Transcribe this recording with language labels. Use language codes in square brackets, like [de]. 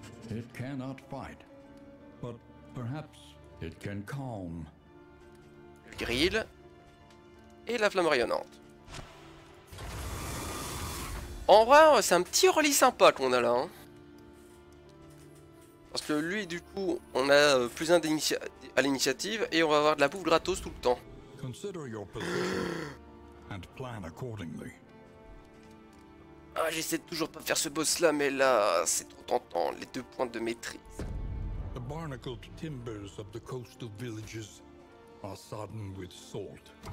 [en] It cannot fight, but perhaps it can calm. [fr] Le grill et la flamme rayonnante. En vrai, c'est un petit relis sympa qu'on a là. Hein. Parce que lui, du coup, on a plus un à l'initiative et on va avoir de la bouffe gratos tout le temps. [en] Consider your position and plan accordingly. [fr] Ah, j'essaie toujours pas de faire ce boss là, mais là, c'est trop tentant, les deux points de maîtrise. [en] The barnacled timbers of the coastal villages are sodden with salt.